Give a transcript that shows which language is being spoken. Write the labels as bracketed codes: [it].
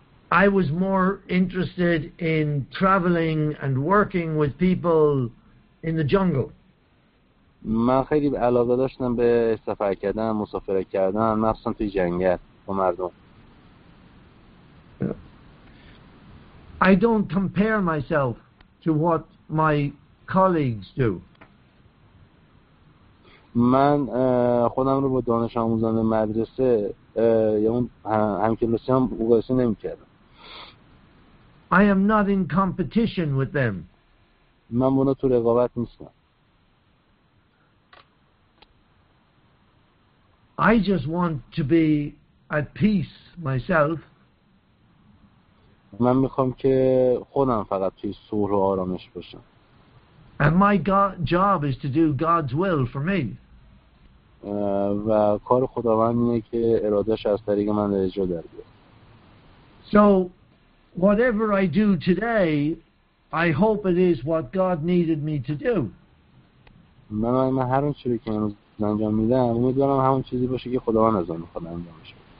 [en] I was more interested in traveling and working with people in the jungle. [fa] من خیلی علاقه داشتم به سفر کردن، مسافرت کردن، مخصوصا توی جنگل با مردم. [en] I don't compare myself to what my colleagues do. [fa] من خودم رو با دانش آموزان مدرسه یا اون همکلاسی هم مقایسه نمی کردم. [en] I am not in competition with them. [fa] من بنا تو رقابت نیستم. [en] I just want to be at peace myself. [fa] من میخوام که خودم فقط توی صلح و آرامش باشم. [en] And my job is to do God's will for me. [fa] و کار خداوند اینه که ارادش از طریق من در اجرا در بیاد. [en] So whatever I do today, I hope it is what God needed me to do. [fa] من هر اون چیزی که امروز انجام میدم امیدوارم همون چیزی باشه که خداوند از من می‌خواد انجام بشه.